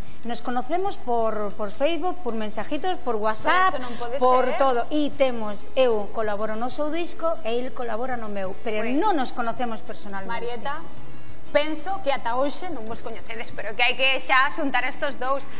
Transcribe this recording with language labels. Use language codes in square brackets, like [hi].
[es] Nos conocemos por Facebook, por mensajitos, por WhatsApp, por todo. [gl] E temos, eu colaboro no seu disco e ele colabora no meu. Pero non nos conocemos personalmente. Marieta, penso que ata hoxe non vos coñecedes, pero que hai que xa xuntar estos dous.